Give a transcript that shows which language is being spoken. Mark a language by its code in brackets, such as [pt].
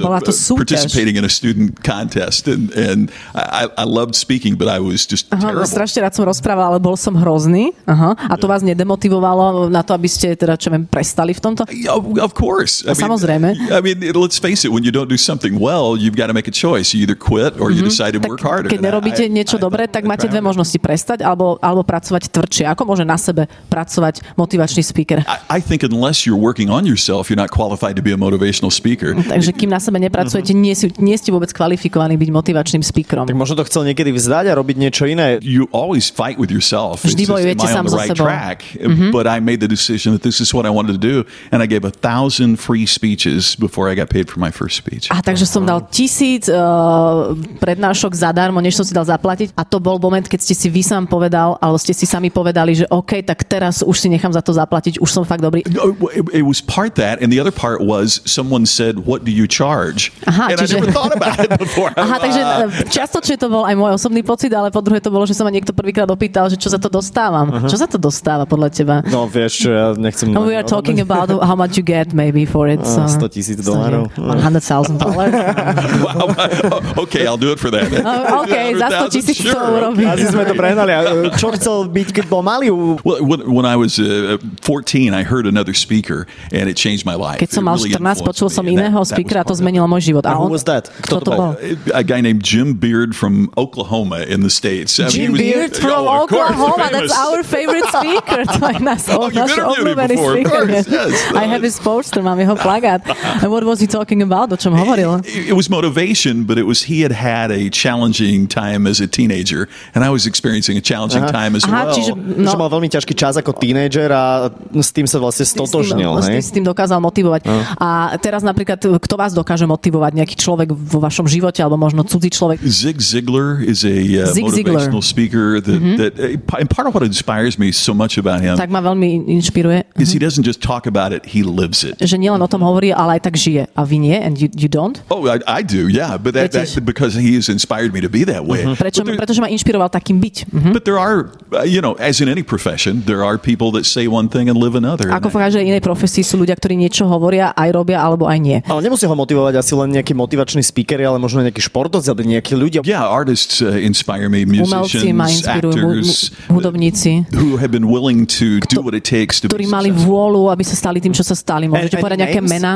[en] participating in a student contest. And I loved speaking, but I was just terrible. [sk] Strašne rád som rozprával, ale bol som hrozný. Aha. A to vás nedemotivovalo na to, aby ste teda, čo viem, prestali v tomto? [en] Of course. [sk] Samozrejme. [en] I mean, let's face it, when you don't do something well, you've got to make a choice. You either quit or you decide to work harder. [sk] Keď nerobíte niečo dobre, tak máte dve možnosti. Prestať alebo pracovať tvrdšie. Ako môže na sebe pracovať motivačný speaker? [en] I think unless you're working on yourself, if you're not qualified to be a motivational speaker. [sk] Takže kým na sebe nepracujete, nie ste vôbec kvalifikovaní byť motivačným speakerom. Tak možno to chcel niekedy vzdať a robiť niečo iné. [en] You always fight with yourself. [sk] Vždy bojujete sám so sebou. [en] But I made the decision that this is what I wanted to do and I gave 1,000 free speeches before I got paid for my first speech. [sk] A takže som dal 1,000 prednášok zadarmo, než som si dal zaplatiť a to bol moment, keď ste si vy sám povedal, alebo ste si sami povedali, že OK, tak teraz už si nechám za to zaplatiť, už som fakt dobrý. [en] That and the other part was someone said, what do you charge? I never thought about it before. [sk] Takže častočne to bol aj môj osobný pocit, ale po druhé to bolo, že sa ma niekto prvýkrát opýtal, že čo za to dostávam. Uh-huh. Čo za to dostáva podľa teba? No vieš, čo, ja nechcem. [en] And we are talking about how much you get maybe for it. So, 100,000 dollars. $100,000. Okay, I'll do it for that. [sk] Okay, za 100,000 to urobím. Asi sme to prehnali. Čo chcel byť, keď bol malý? [en] When I was 14, I heard another speaker and it changed my life. [sk] Keď som mal 14, počul som iného speakera, to zmenilo môj život. [en] Who was that? [sk] Kto to bol? [en] A guy named Jim Beard from Oklahoma in the States. Jim Beard from Oklahoma, that's our favorite speaker. [sk] To je naš obľúbený speaker. [en] I have his poster, [sk] mám jeho plagát. [en] And what was he talking about? [sk] O čom hovoril? [en] It was motivation, but it was he had had a challenging time as a teenager and I was experiencing a challenging time as well. [sk] Čiže mal veľmi ťažký čas ako teenager a s tým sa vlastne stotožnil, hej? S tým dokázal motivovať. A teraz napríklad, kto vás dokáže motivovať? Nejaký človek vo vašom živote, alebo možno cudzí človek? [en] Zig Ziglar is a motivational speaker. And part of what inspires me so much about him, [sk] tak ma veľmi inšpiruje, [en] is he doesn't just talk about it, he lives it. [sk] Že nielen o tom hovorí, ale aj tak žije. A vy nie? [en] And you don't? Oh, I do, yeah. But that because he has inspired me to be that way. [sk] Pretože ma inšpiroval takým byť. [en] But there are, you know, as in any profession, there are people that say one thing and live another. [sk] Ako v každej inej profesii sú ľudia, ktorí niečo hovoria, aj robia, alebo aj nie. Ale nemusí ho motivovať asi len nejaký motivačný speaker, ale možno nejaký športovec, alebo nejaký ľudia. [en] Yeah, artists inspire me, musicians, actors, [sk] hudobníci, [en] who have been willing to do what it takes to be successful. [sk] Ktorí mali vôľu, aby sa stali tým, čo sa stali. Môžete povedať nejaké mená?